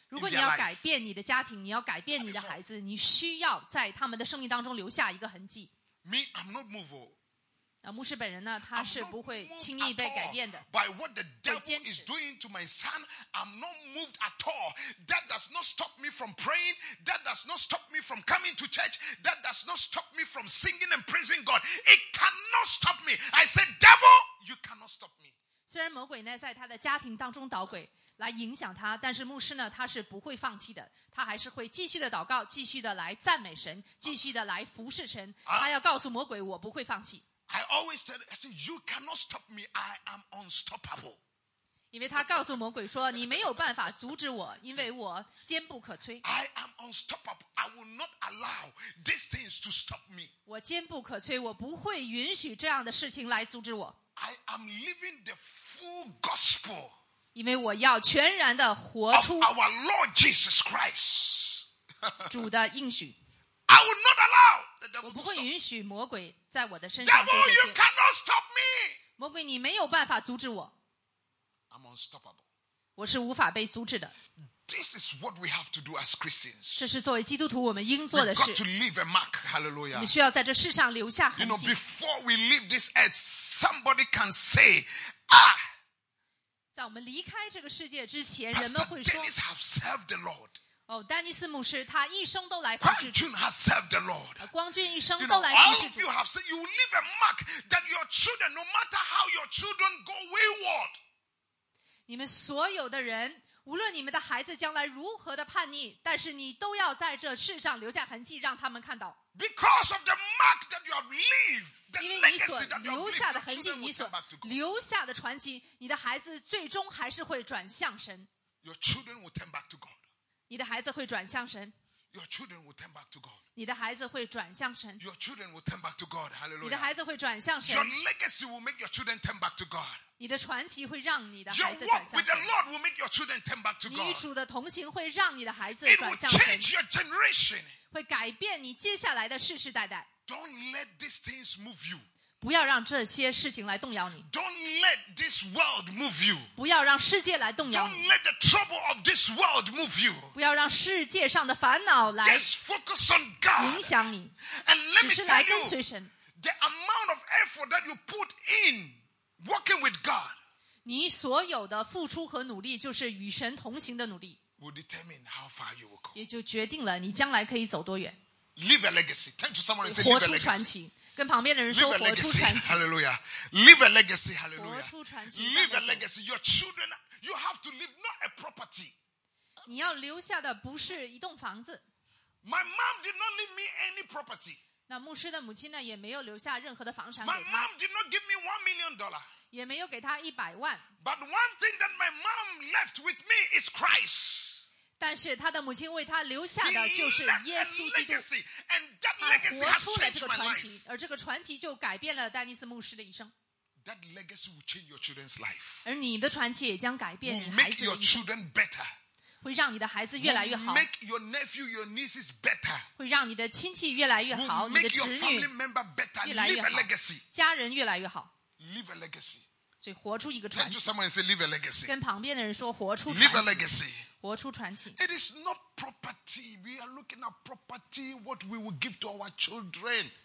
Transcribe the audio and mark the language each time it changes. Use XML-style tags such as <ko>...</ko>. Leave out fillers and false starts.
<zh>如果你要改变你的家庭，你要改变你的孩子，你需要在他们的生命当中留下一个痕迹。</zh> <en>Me, I'm not movable.</en> <zh>那牧师本人呢？他是不会轻易被改变的。</zh> <en>By what the devil is doing to my son, I'm not moved at all. That does not stop me from praying. That does not stop me from coming to church. That does not stop me from singing and praising God. It cannot stop me. I said, devil, you cannot stop me.</en> <zh>虽然魔鬼呢在他的家庭当中捣鬼。来影响他，但是牧师呢，他是不会放弃的，他还是会继续的祷告，继续的来赞美神，继续的来服侍神。他要告诉魔鬼，我不会放弃。</zh> <en>I always said, I said, you cannot stop me. I am unstoppable.</en> <zh>因为他告诉魔鬼说，你没有办法阻止我，因为我坚不可摧。</zh> <en>I am unstoppable. I will not allow these things to stop me.</en> <zh>我坚不可摧，我不会允许这样的事情来阻止我。</zh> <en>I am living the full gospel.</en> <zh>因为我要全然的活出</zh> <en>of our Lord Jesus Christ.</en> <zh>主的应许</zh> <en>I will not allow the devil to stop.</en> <zh>我不会允许魔鬼在我的身上做这些</zh> <en>Devil, you cannot stop me.</en> <zh>魔鬼，你没有办法阻止我</zh> <en>I'm unstoppable.</en> <zh>我是无法被阻止的</zh> <en>This is what we have to do as Christians.</en> <zh>这是作为基督徒我们应做的事</zh> <en>We've got to leave a mark. Hallelujah.</en> <zh>我们需要在这世上留下痕迹</zh> <en>You know, before we leave this earth, somebody can say, ah,</en> <zh>在我们离开这个世界之前，人们会说</zh> <en>：“Dennis have served the Lord。”</en> <zh>哦，丹尼斯牧师，他一生都来服侍主。</zh> <en>Grandchild has served the Lord。</en> <zh>光俊一生都来服侍主。</zh> <en>You have said you will leave a mark that your children, no matter how your children go wayward。</en> <zh>你们所有的人，无论你们的孩子将来如何的叛逆，但是你都要在这世上留下痕迹，让他们看到。</zh> <en>Because of the mark that you have left。</en> <zh>因为你所留下的痕迹，你所留下的传奇，你的孩子最终还是会转向神。</zh> <en>Your children will turn back to God.</en> <zh>你的孩子会转向神。</zh> <en>Your children will turn back to God.</en> <zh>你的孩子会转向神。</zh> <en>Your children will turn back to God. Hallelujah.</en> <zh>你的孩子会转向神。</zh> <en>Your legacy will make your children turn back to God.</en> <zh>你的传奇会让你的孩子转向神。</zh> <en>Your walk with the Lord will make your children turn back to God.</en> <zh>你与主的同行会让你的孩子转向神。</zh> <en>It will change your generation.</en> <zh>会改变你接下来的世世代代。</zh> <en>Don't let these things move you.</en> <zh>不要让这些事情来动摇你。</zh> <en>Don't let this world move you.</en> <zh>不要让世界来动摇你。</zh> <en>Don't let the trouble of this world move you.</en> <zh>不要让世界上的烦恼来影响你。</zh> <en>And let me tell you, the amount of effort that you put in working with God,</en> <zh>你所有的付出和努力就是与神同行的努力。</zh> <en>Will determine how far you will go.</en> <zh>也就决定了你将来可以走多远。</zh> <en>Leave a legacy. Turn to someone and say, "Leave a legacy."</en> <zh>活出传奇，跟旁边的人说，活出传奇。</zh> <en>Hallelujah. Leave a legacy. Hallelujah.</en> <zh>活出传奇。</zh> <en>Leave a legacy. Your children, you have to leave not a property.</en> <zh>你要留下的不是一栋房子。</zh> <en>My mom did not leave me any property.</en> <zh>那牧师的母亲呢，也没有留下任何的房产给他。</zh> <en>My mom did not give me $1 million.</en> <zh>也没有给他一百万。</zh> <en>But one thing that my mom left with me is Christ.</en> <zh>但是他的母亲为他留下的就是耶稣基督，他活出了这个传奇，而这个传奇就改变了丹尼斯牧师的一生。</zh> <en>That legacy will change your children's life.</en> <zh>而你的传奇也将改变你孩子的一生。</zh> <en>Make your children better.</en> <zh>会让你的孩子越来越好。</zh> <en>Make your nephew, your nieces better.</en> <zh>会让你的亲戚越来越好，你的侄女越来越好，家人越来越好。</zh> <en>Leave a legacy.</en> <zh>所以活出一个传奇。</zh> <en>Turn to someone and say, "Leave a legacy."</en> <zh>跟旁边的人说，活出传奇。</zh> <en>Leave a legacy.</en> <zh>活出传奇。</zh> <en>It is not property. We are looking at property, what we will give to our children.</en>